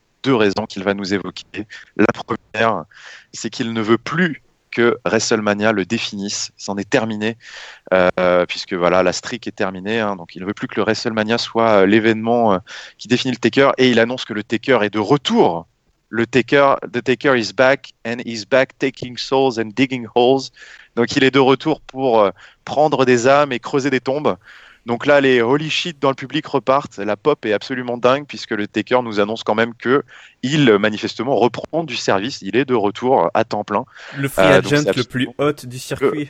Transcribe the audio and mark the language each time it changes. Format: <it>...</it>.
<fr>Deux raisons qu'il va nous évoquer. La première, c'est qu'il ne veut plus que WrestleMania le définisse. C'en est terminé, puisque voilà, la streak est terminée. Hein, donc, il ne veut plus que le WrestleMania soit l'événement qui définit le Taker. Et il annonce que le Taker est de retour.</fr> <en>The Taker is back and he's back taking souls and digging holes.</en> <fr>Donc, il est de retour pour prendre des âmes et creuser des tombes. Donc là, les</fr> <en>holy shit</en> <fr>dans le public repartent. La pop est absolument dingue puisque le Taker nous annonce quand même que il manifestement reprend du service. Il est de retour à temps plein. Le free Donc c'est agent le absolument plus hot du circuit.</fr>